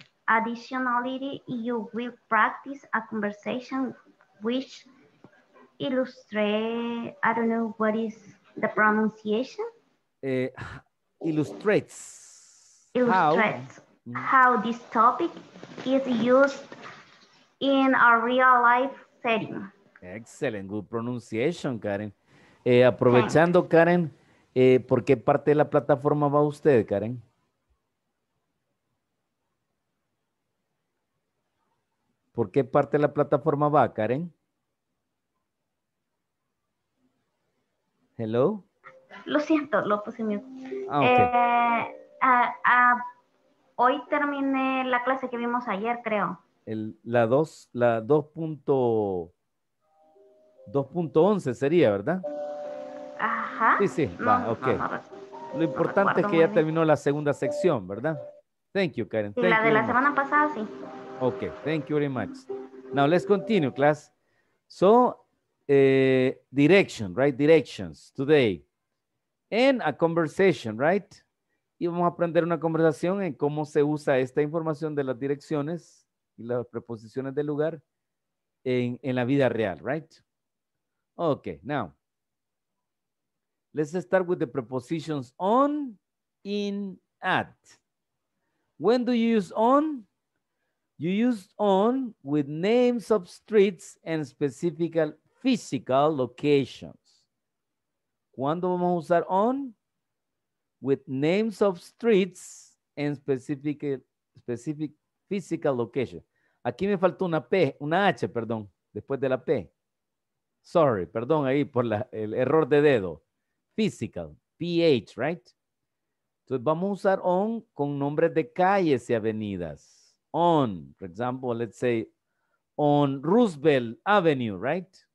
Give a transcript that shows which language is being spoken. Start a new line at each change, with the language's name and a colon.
English: Additionally, you will practice a conversation which illustrate, I don't know what is the pronunciation. Illustrates how this topic is used in a real life setting. Excellent, good pronunciation, Karen. Aprovechando, thanks.
Spanish: Karen, ¿por qué parte de la plataforma va usted, Karen? ¿Por qué parte de la plataforma va, Karen?
English: Hello.
Spanish: Lo siento, lo puse mute.
English: Okay.
Spanish: Hoy terminé la clase que vimos ayer, creo. La 2.11 sería, ¿verdad? Ajá. Sí, no, va, ok. No, lo importante es que ya terminó la segunda sección, ¿verdad?
English: Thank you, Karen. Thank la you
Spanish: de la much. Semana pasada, sí.
English: Ok, thank you very much. Now, let's continue, class. So, direction, right? Directions today. And a conversation, right?
Spanish: y vamos a aprender una conversación en cómo se usa esta información de las direcciones y las preposiciones del lugar en la vida real, right?
English: Okay, now. Let's start with the prepositions on, in, at. When do you use on? You use on with names of streets and specific physical locations.
Spanish: ¿Cuándo vamos a usar on?
English: With names of streets and specific physical location.
Spanish: Aquí me faltó una P, una H, perdón, después de la P. Sorry, perdón ahí por el error de dedo.
English: Physical, PH, right?
Spanish: Entonces vamos a usar on con nombres de calles y avenidas.
English: On, for example, let's say on Roosevelt Avenue, right?